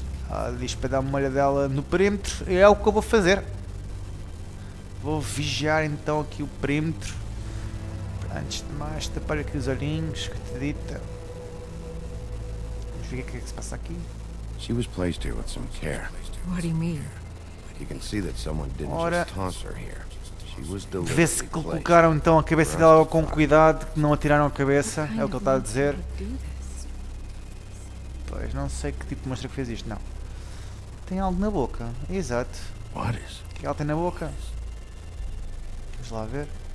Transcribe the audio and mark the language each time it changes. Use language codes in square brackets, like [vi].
[pt] Ela diz para dar uma olhadela no perímetro, e é o que eu vou fazer. Vou vigiar então aqui o perímetro. Antes de mais, tapar aqui os olhinhos, que te dita. Vamos ver o que é que se passa aqui. [en] She was placed here with some care. What do you mean? You can see that someone didn't [pt] ora, [en] just toss her here. She was deliberately placed. [pt] Vê-se que colocaram então a cabeça dela com cuidado, que não atiraram a cabeça, é o que ele está a dizer. Pois, não sei que tipo de monstro que fez isto, não. Tem algo na boca, exato. [en] What is? [pt] O que ela tem na boca? Vamos lá ver.